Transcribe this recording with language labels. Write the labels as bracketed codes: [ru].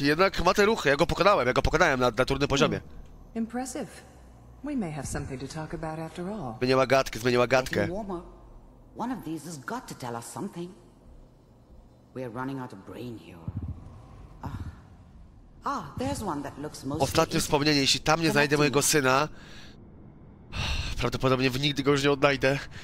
[pl] Jednak ma te ruchy, ja go pokonałem na trudnym poziomie. [en] Impressive. We may have something to talk about after all. [pl] Zmieniła gadkę. [en] One of these has got to tell us something. We are running out of brain here. Ah, there's one that looks most. [pl] Ostatnie wspomnienie, jeśli tam nie znajdę mojego syna, prawdopodobnie nigdy go już nie odnajdę.